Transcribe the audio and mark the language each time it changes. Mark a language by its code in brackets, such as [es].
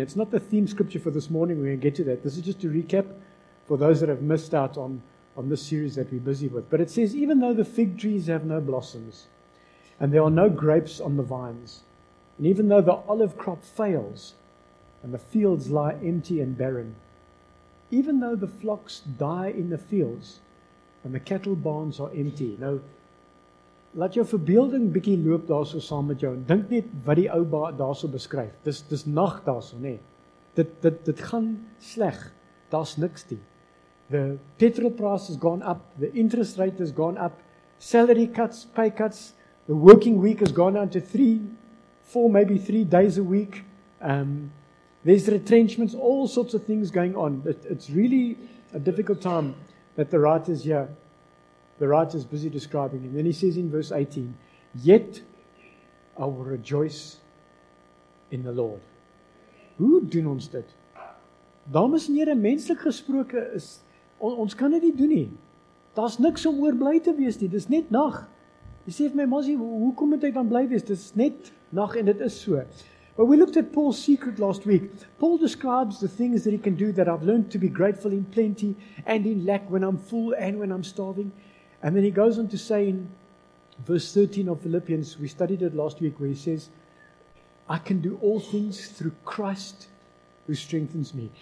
[en] It's not the theme scripture for this morning. We're going to get to that. This is just to recap for those that have missed out on this series that we're busy with. But it says, even though the fig trees have no blossoms and there are no grapes on the vines, and even though the olive crop fails and the fields lie empty and barren, even though the flocks die in the fields and the cattle barns are empty. [af] Nou, laat jou verbeelding bietjie loop daarso saam met jou. Dink net wat die ou baas daarso beskryf. Dis nag daarso, nê. Dit gaan sleg. Daar's niks nie. [en] The petrol price has gone up. The interest rate has gone up. Salary cuts, pay cuts. The working week has gone down to 3 days a week. There's retrenchments, all sorts of things going on. It's really a difficult time that the writer is busy describing. And then he says in verse 18, yet I will rejoice in the Lord. [af] Hoe doen ons dit? Dames en heren, menslik gesproke is, ons kan dit nie doen nie. Daar is niks om oor bly te wees nie, dit is net nag. Jy sê vir my, Mazie, hoe kom dit dan bly wees? Dit is net nag en dit is so. [en] But we looked at Paul's secret last week. Paul describes the things that he can do that I've learned to be grateful in plenty and in lack when I'm full and when I'm starving. And then he goes on to say in verse 13 of Philippians, we studied it last week, where he says, I can do all things through Christ who strengthens me.